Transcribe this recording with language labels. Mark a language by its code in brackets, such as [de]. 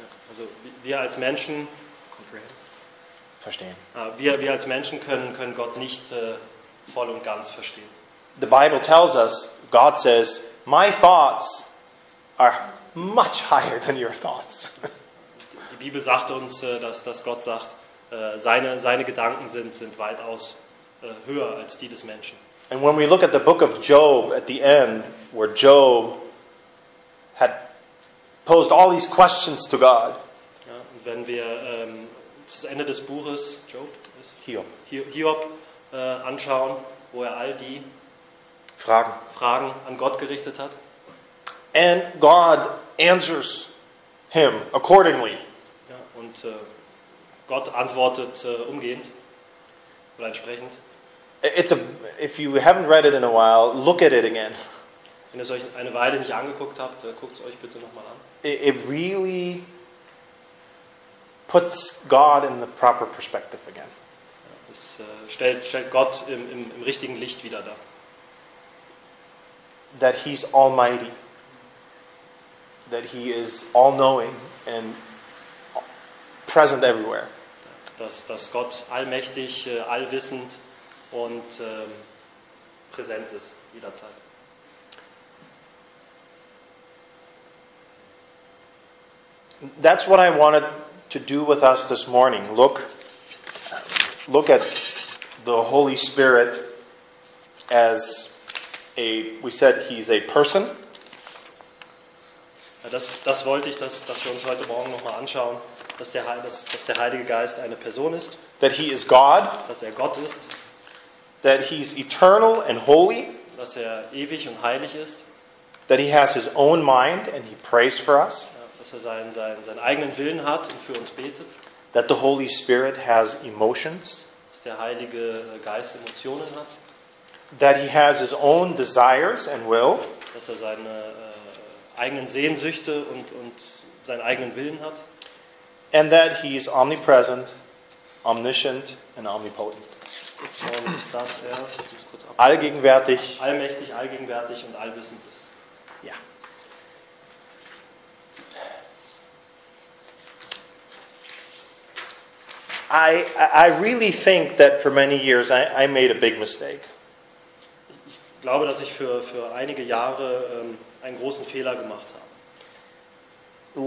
[de] Also wir als Menschen verstehen. Wir als Menschen können Gott nicht voll und ganz verstehen. [en] The Bible tells us, God says, my thoughts are much higher than your thoughts. [de] Die Bibel sagt uns, dass Gott sagt, seine Gedanken sind weitaus höher als die des Menschen. [en] And when we look at the book of Job at the end, where Job had posed all these questions to God. [de] Ja, und wenn wir das Ende des Buches Job anschauen, wo er all die Fragen an Gott gerichtet hat. [en] And God answers him accordingly. [de] Ja, und Gott antwortet umgehend oder entsprechend. [en] If you haven't read it in a while, look at it again. [de] Wenn ihr es euch eine Weile nicht angeguckt habt, guckt es euch bitte nochmal an. [en] It really puts God in the proper perspective again. [de] Es stellt Gott im richtigen Licht wieder dar. [en] That he's almighty. That he is all-knowing and present everywhere. [de] Dass Gott allmächtig, allwissend und Präsenz ist, jederzeit. [en] That's what I wanted to do with us this morning. Look at the Holy Spirit as a, we said he's a person. [de] Ja, das wollte ich, dass wir uns heute Morgen nochmal anschauen, dass der Heilige Geist eine Person ist. [en] That he is God. [de] Dass er Gott ist. [en] That he's eternal and holy. [de] Dass er ewig und heilig ist. [en] That he has his own mind and he prays for us. [de] Dass er seinen eigenen Willen hat und für uns betet. [en] That the Holy Spirit has emotions. [de] Dass der Heilige Geist Emotionen hat. [en] That he has his own desires and will. [de] Dass er seine eigenen Sehnsüchte und seinen eigenen Willen hat. [en] And that he is omnipresent, omniscient and omnipotent. [de] Und dass er kurz allmächtig, allgegenwärtig und allwissend ist. [en] I really think that for many years I made a big mistake. [de] Ich glaube, dass ich für einige Jahre einen großen Fehler gemacht habe.